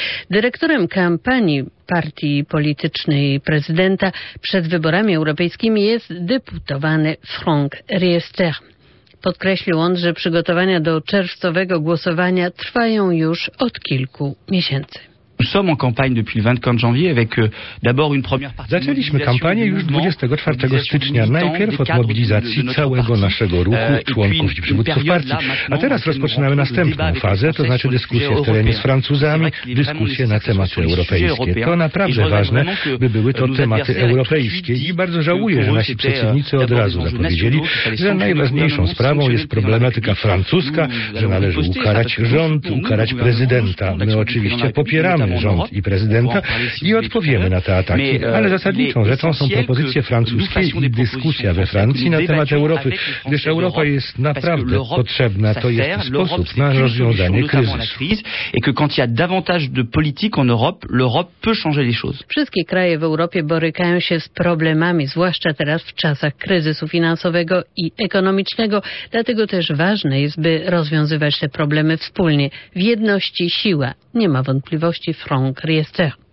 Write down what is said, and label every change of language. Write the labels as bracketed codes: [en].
[pl] Dyrektorem kampanii partii politycznej prezydenta przed wyborami europejskimi jest deputowany Franck Riester. Podkreślił on, że przygotowania do czerwcowego głosowania trwają już od kilku miesięcy. [fr] Nous sommes en campagne depuis le 24 janvier avec d'abord une première partie. [pl] Zaczęliśmy kampanię już 24 stycznia, najpierw od mobilizacji całego naszego ruchu, członków i przywódców partii. A teraz rozpoczynamy następną fazę, to znaczy dyskusję w terenie z Francuzami, dyskusję na tematy europejskie. To naprawdę ważne, by były to tematy europejskie. I bardzo żałuję, że nasi przeciwnicy od razu zapowiedzieli, że najważniejszą sprawą jest problematyka francuska, że należy ukarać rząd, ukarać prezydenta. My oczywiście popieramy rząd i prezydenta i odpowiemy na te ataki, ale zasadniczą rzeczą są propozycje francuskie i dyskusja we Francji na temat Europy, gdyż Europa jest naprawdę potrzebna, to jest sposób na rozwiązanie kryzysu. [fr] I que quand il y a davantage de politique en Europe, l'Europe peut changer les choses. [pl] Wszystkie kraje w Europie borykają się z problemami, zwłaszcza teraz w czasach kryzysu finansowego i ekonomicznego, dlatego też ważne jest, by rozwiązywać te problemy wspólnie. W jedności siła, nie ma wątpliwości, Franck Riester.